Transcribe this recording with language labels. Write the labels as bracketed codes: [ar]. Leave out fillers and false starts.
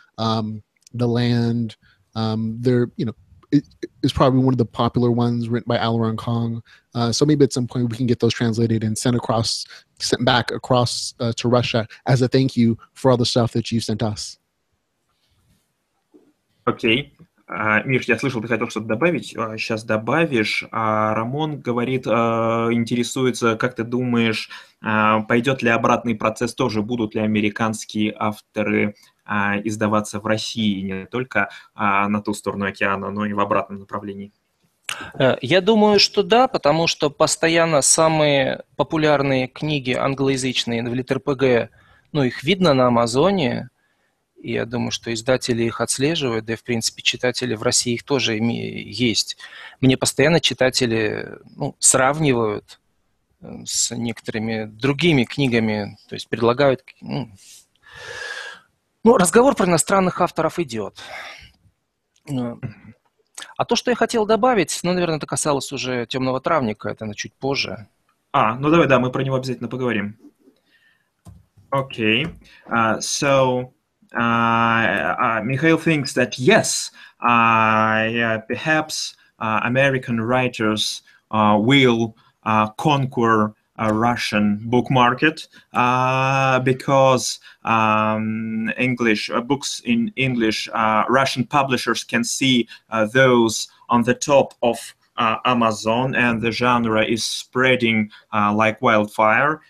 [en] The Land. They're, you know, is probably one of the popular ones written by Alaron Kong. So maybe at some point we can get those translated and sent back across to Russia as a thank you for all the stuff that you sent us. Okay. [ru] Миш, я слышал, ты хотел что-то добавить. Сейчас добавишь. Рамон говорит, интересуется, как ты думаешь, пойдет ли обратный процесс тоже, будут ли американские авторы издаваться в России не только на ту сторону океана, но и в обратном направлении? Я думаю, что да, потому что постоянно самые популярные книги англоязычные в LitRPG, ну, их видно на Амазоне, и я думаю, что издатели их отслеживают, да и, в принципе, читатели в России их тоже есть. Мне постоянно читатели, ну, сравнивают с некоторыми другими книгами, то есть предлагают... Ну, разговор про иностранных авторов идет. А то, что я хотел добавить, ну, наверное, это касалось уже «Темного травника», это на чуть позже. А, ну давай, да, мы про него обязательно поговорим. Окей. [en] So, Micheal thinks that yes, perhaps American writers will conquer a Russian book market because English books in English, Russian publishers can see those on the top of Amazon, and the genre is spreading like wildfire.